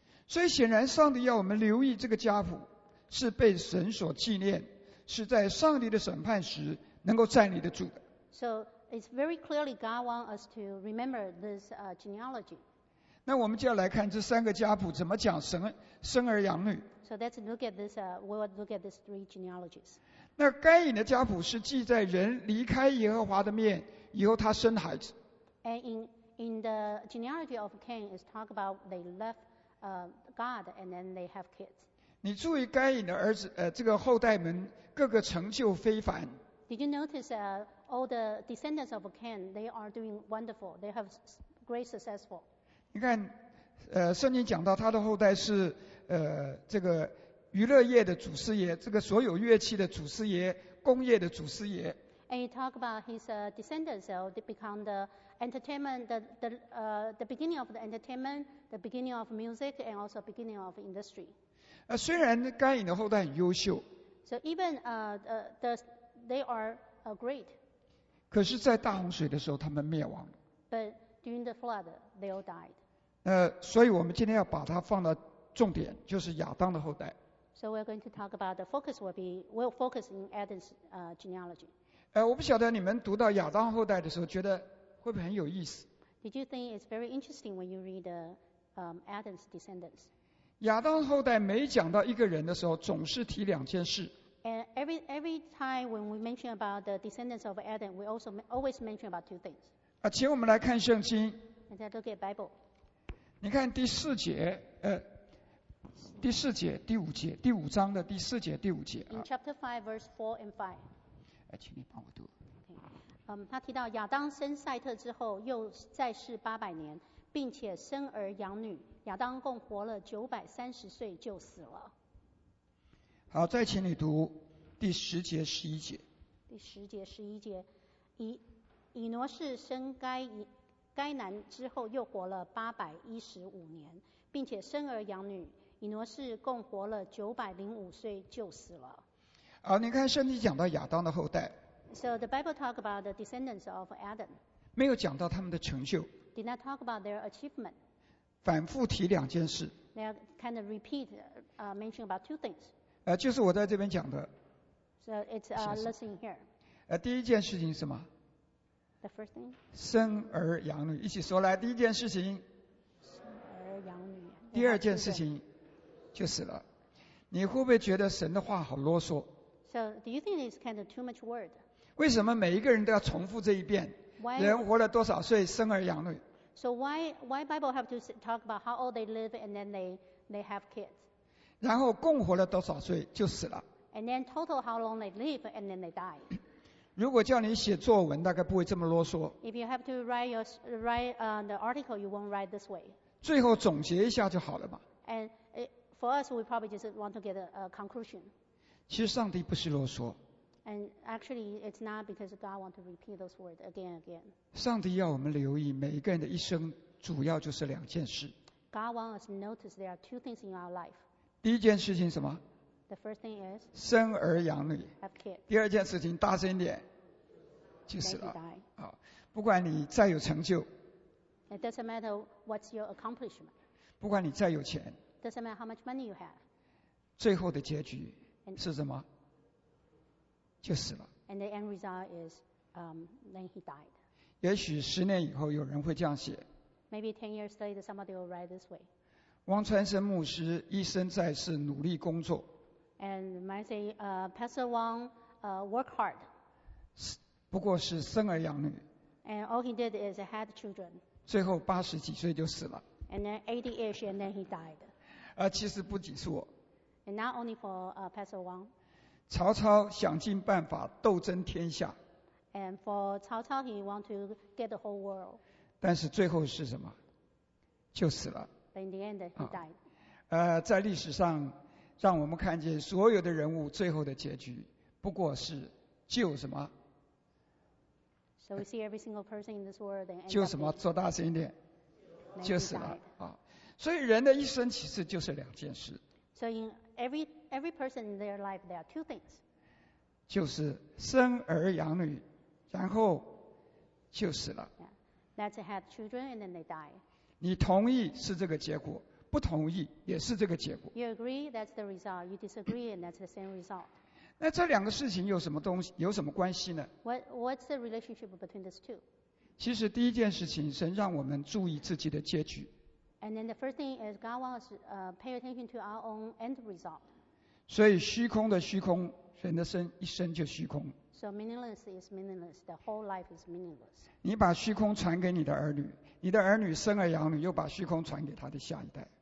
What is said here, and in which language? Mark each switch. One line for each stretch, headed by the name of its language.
Chinese: 所以显然，上帝要我们留意这个家谱是被神所纪念，是在上帝的审判时能够站立得住的。
English: So. It's very clearly God wants us to remember this genealogy.
Chinese: 那我们就要来看这三个家谱怎么讲生儿养女。
English: So let's look at this. We'll look at these three genealogies.
Chinese: 那该隐的家谱是记在人离开耶和华的面以后，他生孩子。
English: And in the genealogy of Cain is talk about they left God and then they have kids.
Chinese: 你注意该隐的儿子这个后代们各个成就非凡。
English: Did you notice all the descendants of Cain, they are doing wonderful. They have great success.
Chinese: 你看，圣经讲到他的后代是这个娱乐业的祖师爷，这个所有乐器的祖师爷，工业的祖师爷。
English: And you talk about his descendants, they become the entertainment, the beginning of the entertainment, the beginning of music, and also beginning of industry.
Chinese: 虽然该隐的后代很优秀。
English: So even they are great.
Chinese: 可是，在大洪水的时候，他们灭亡。
English: But during the flood, they all died.
Chinese: 所以我们今天要把它放到重点，就是亚当的后代。
English: So we're going to talk about the focus will be we'll focus in Adam's genealogy.
Chinese: 我不晓得你们读到亚当后代的时候，觉得会不会很有意思
English: ？Did you think it's very interesting when you read Adam's descendants?
Chinese: 亚当后代每讲到一个人的时候，总是提两件事。
English: And every time when we mention about the descendants of Adam, we also always mention about two things.
Chinese: 请我们来看圣经。
English: And then look at Bible.
Chinese: 你看第四节，第四节、第五节、第五章的第四节、第五节。
English: In chapter 5, verse 4 and 5.
Chinese: 请你帮我读。他提到亚当生赛特之后，又再世八百年，并且生儿养女。亚当共活了930岁，就死了。好，再请你读第十节、十一节。第十节、十一节，以挪士生该男之后，又活了815年，并且生儿养女。以挪士共活了905岁，就死了。好，你看圣经讲到亚当的后代。
English: So the Bible talk about the descendants of Adam.
Chinese: 没有讲到他们的成就。
English: Did not talk about their achievement.
Chinese: 反复提两件事。
English: They kind of repeat, mention about two things.
Chinese: 就是我在这边讲的。
English: So it's listening here.
Chinese: 第一件事情是什么
English: ？The first thing.
Chinese: 生儿养女，一起说来。第一件事情。生儿养女。第二件事情，就死了。你会不会觉得神的话好啰嗦
English: ？So do you think it's kind of too much word?
Chinese: 为什么每一个人都要重复这一遍？
English: Why?
Chinese: 人活了多少岁，生儿养女？
English: So why Bible have to talk about how old they live and then they have kids?
Chinese: 然后共活了多少岁就死了？
English: And then total how long they live and then they die.
Chinese: 如果叫你写作文，大概不会这么啰嗦。
English: If you have to write the article, you won't write this way.
Chinese: 最后总结一下就好了嘛。
English: And for us, we probably just want to get a conclusion.
Chinese: 其实上帝不是啰嗦。
English: And actually, it's not because God wants to repeat those words again and again.
Chinese: 上帝要我们留意每一个人的一生，主要就是两件事。
English: God wants us to notice there are two things in our life.
Chinese: 第一件事情什么？
English: The first thing is
Chinese: 生儿养女。
English: Have kids.
Chinese: 第二件事情大声一点，就是了。
English: Then you die.
Chinese: 好，不管你再有成就。
English: It doesn't matter what's your accomplishment.
Chinese: 不管你再有钱。
English: It doesn't matter how much money you have.
Chinese: 最后的结局是什么？就死了。
English: And the end result is, then he died.
Chinese: 也许十年以后有人会这样写。
English: Maybe 10 years later, somebody will write this way.
Chinese: 王传生牧师一生在世努力工作。
English: And might say, Pastor Wang, work hard.
Chinese: 不过是生儿养女。
English: And all he did is had children.
Chinese: 最后80几岁就死了。
English: And then 80-ish, and then he died.
Chinese: 其实不仅是我。
English: And not only for Pastor Wang.
Chinese: 曹操想尽办法斗争天下。
English: And for 曹操 he want to get the whole world.
Chinese: 但是最后是什么？就死了。
English: But in the end, he died.
Chinese: 在历史上让我们看见所有的人物最后的结局不过是就什么？
English: So we see every single person in this world and
Chinese: 就什么？做大声一点。就死了。啊，所以人的一生其实就是两件事。
English: So in every person in their life, there are two things.
Chinese: 就是生儿养女，然后就死了。
English: Yeah. That's had children and then they die.
Chinese: 你同意是这个结果，不同意也是这个结果。
English: You agree, that's the result. You disagree, and that's the same result.
Chinese: 那这两个事情有什么东西，有什么关系呢？
English: What's the relationship between these two?
Chinese: 其实第一件事情，神让我们注意自己的结局。
English: And then the first thing is God wants us pay attention to our own end result.
Chinese: 所以虚空的虚空，人的生一生就虚空。
English: So meaningless is meaningless. The whole life is meaningless.
Chinese: 你把虚空传给你的儿女，你的儿女生儿养女，又把虚空传给他的下一代。